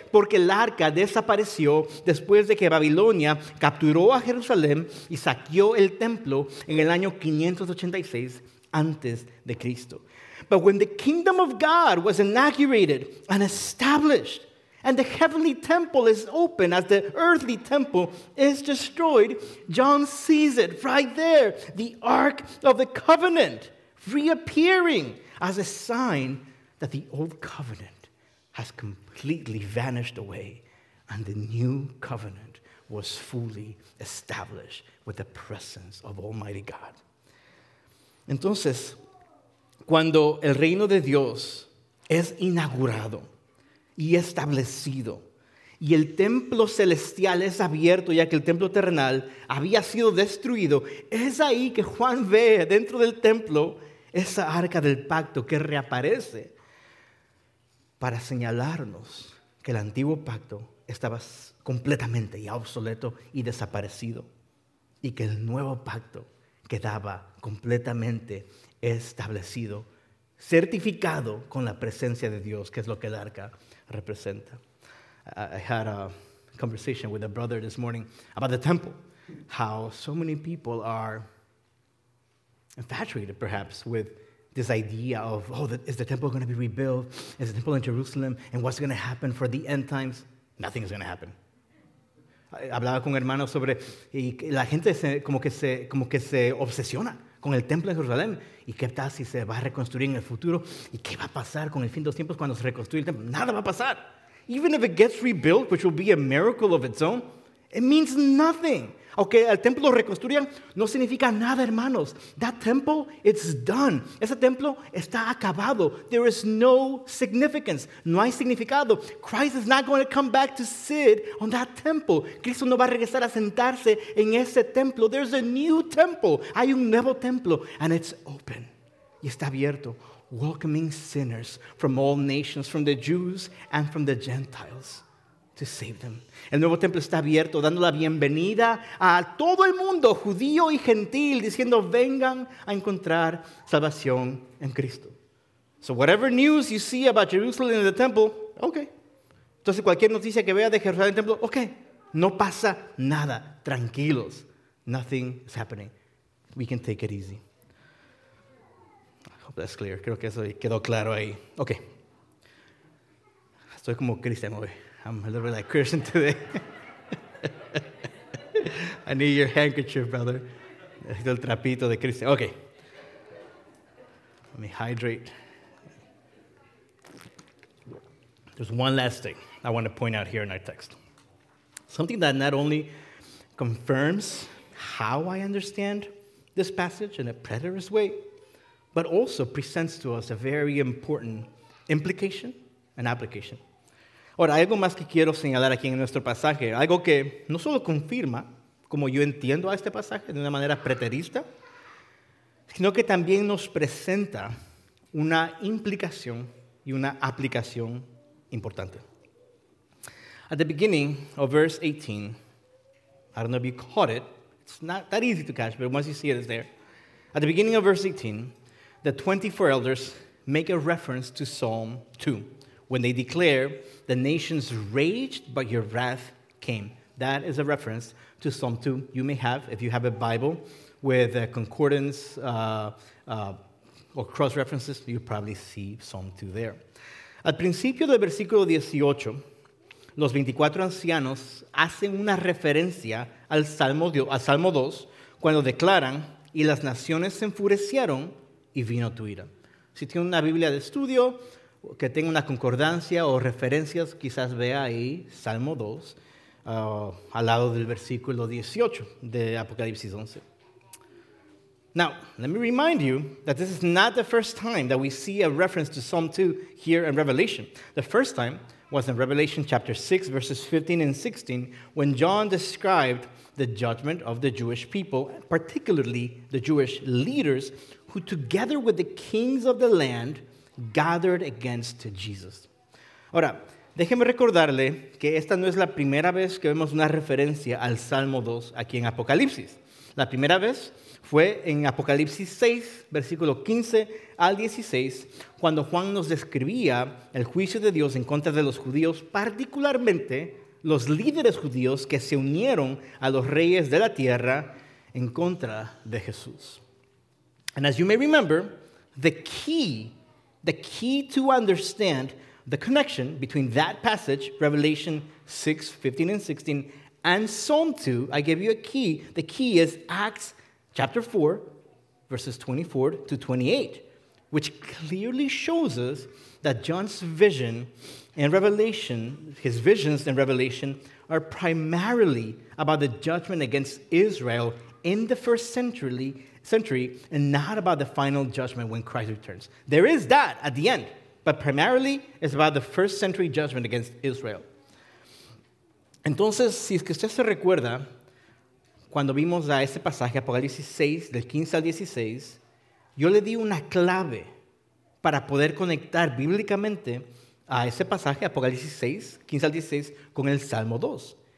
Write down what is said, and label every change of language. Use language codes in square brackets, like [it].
[es] Porque el arca desapareció después de que Babilonia capturó a Jerusalén y saqueó el templo en el año 586 antes de Cristo. [en] But when the kingdom of God was inaugurated and established, and the heavenly temple is open as the earthly temple is destroyed, John sees it right there, the Ark of the Covenant reappearing as a sign that the old covenant has completely vanished away and the new covenant was fully established with the presence of Almighty God. [es] Entonces, cuando el reino de Dios es inaugurado y establecido, y el templo celestial es abierto, ya que el templo terrenal había sido destruido, es ahí que Juan ve dentro del templo esa arca del pacto que reaparece para señalarnos que el antiguo pacto estaba completamente ya obsoleto y desaparecido, y que el nuevo pacto quedaba completamente establecido, certificado con la presencia de Dios, que es lo que el arca representa. [en] I had a conversation with a brother this morning about the temple, how so many people are infatuated, perhaps, with this idea of, oh, is the temple going to be rebuilt? Is the temple in Jerusalem? And what's going to happen for the end times? Nothing is going to happen. [es] Hablaba con hermanos sobre, y la gente como que se obsesiona con el templo en Jerusalén. ¿Y qué tal si se va a reconstruir en el futuro? ¿Y qué va a pasar con el fin de los tiempos cuando se reconstruye el templo? Nada va a pasar. [en] Even if it gets rebuilt, which will be a miracle of its own, it means nothing. [es] Aunque el templo reconstruyan, no significa nada, hermanos. [en] That temple, it's done. [es] Ese templo está acabado. [en] There is no significance. [es] No hay significado. [en] Christ is not going to come back to sit on that temple. [es] Cristo no va a regresar a sentarse en ese templo. [en] There's a new temple. [es] Hay un nuevo templo. [en] And it's open. [es] Y está abierto. [en] Welcoming sinners from all nations, from the Jews and from the Gentiles, to save them. [es] El nuevo templo está abierto, dando la bienvenida a todo el mundo, judío y gentil, diciendo, vengan a encontrar salvación en Cristo. [en] So whatever news you see about Jerusalem and the temple, okay. [es] Entonces cualquier noticia que vea de Jerusalén y el templo, okay. No pasa nada, tranquilos. [en] Nothing is happening. We can take it easy. That's clear. [es] Creo que eso quedó claro ahí. Okay. Estoy como Christian hoy. [en] I'm a little bit like Christian today. I need your handkerchief, brother. [es] Necesito el trapito de Christian. [en] Okay. Let me hydrate. There's one last thing I want to point out here in our text. Something that not only confirms how I understand this passage in a preterist way, but also presents to us a very important implication and application. [es] Ahora, hay algo más que quiero señalar aquí en nuestro pasaje, algo que no solo confirma como yo entiendo a este pasaje de una manera preterista, sino que también nos presenta una implicación y una aplicación importante. [en] At the beginning of verse 18, I don't know if you caught it, it's not that easy to catch, but once you see it, it's there. At the beginning of verse 18, the 24 elders make a reference to Psalm 2 when they declare, the nations raged, but your wrath came. That is a reference to Psalm 2. You may have, if you have a Bible with a concordance or cross references, you probably see Psalm 2 there. [es] Al principio del versículo 18, los 24 ancianos hacen una referencia al Salmo 2 cuando declaran, y las naciones se enfurecieron, y vino tu ira. Si tiene una Biblia de estudio, que tenga una concordancia o referencias, quizás vea ahí Salmo 2, al lado del versículo 18 de Apocalipsis 11. [en] Now, let me remind you that this is not the first time that we see a reference to Psalm 2 here in Revelation. The first time was in Revelation chapter 6, verses 15 and 16, when John described the judgment of the Jewish people, particularly the Jewish leaders, who together with the kings of the land gathered against Jesus. [es] Ahora, déjeme recordarle que esta no es la primera vez que vemos una referencia al Salmo 2 aquí en Apocalipsis. La primera vez fue en Apocalipsis 6, versículo 15 al 16, cuando Juan nos describía el juicio de Dios en contra de los judíos, particularmente los líderes judíos que se unieron a los reyes de la tierra en contra de Jesús. [en] And as you may remember, the key to understand the connection between that passage, Revelation 6, 15 and 16, and Psalm 2, I gave you a key. The key is Acts chapter 4, verses 24 to 28, which clearly shows us that John's vision and revelation, his visions and revelation, are primarily about the judgment against Israel in the first century, and not about the final judgment when Christ returns. There is that at the end, but primarily it's about the first century judgment against Israel. [es] Entonces, si es que usted se recuerda, cuando vimos a ese pasaje, Apocalipsis 6, del 15 al 16, yo le di una clave para poder conectar bíblicamente a ese pasaje, Apocalipsis 6, 15 al 16, con el Salmo 2.